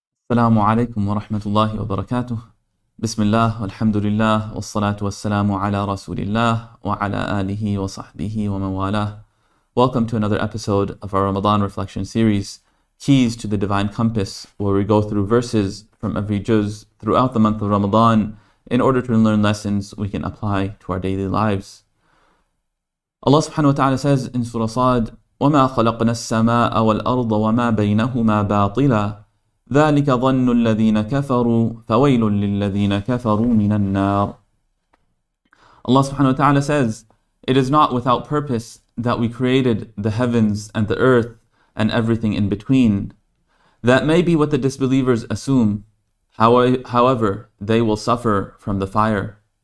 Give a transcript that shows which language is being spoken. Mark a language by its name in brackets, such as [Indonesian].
[Arabic] السلام عليكم ورحمة الله وبركاته بسم الله والحمد لله والصلاة والسلام على رسول الله وعلى آله وصحبه ومن والاه. [English] Welcome to another episode of our Ramadan reflection series, Keys to the Divine Compass, where we go through verses from every juz throughout the month of Ramadan in order to learn lessons we can apply to our daily lives. Allah subhanahu wa ta'ala says in Surah Sad, [Arabic] وَمَا خَلَقْنَا السَّمَاءَ وَالْأَرْضَ وَمَا بَيْنَهُمَا بَاطِلًا ذَلِكَ ظَنُّ الَّذِينَ كَفَرُوا فَوَيْلٌ لِلَّذِينَ كَفَرُوا مِنَ النَّارِ. [English] Allah subhanahu wa ta'ala says, it is not without purpose that we created the heavens and the earth and everything in between. That may be what the disbelievers assume. However, they will suffer from the fire.